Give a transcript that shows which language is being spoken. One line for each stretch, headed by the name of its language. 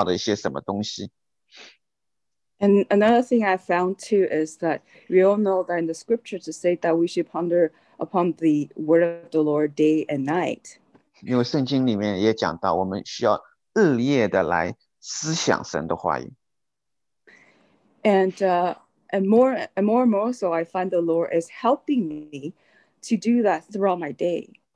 Chinese: 但是我今天还没有读到了，所以我就迫不及待的希望有一个短短的休息时间，然后去看他们所看到的一些什么东西。And
English: another thing I found too is that we all know that in the scripture to say that we should ponder upon the word of the Lord day and night.
Chinese: 因为圣经里面也讲到，我们需要日夜的来思想神的话语。And
English: And more and more, so I find the Lord is helping me to do that throughout my day.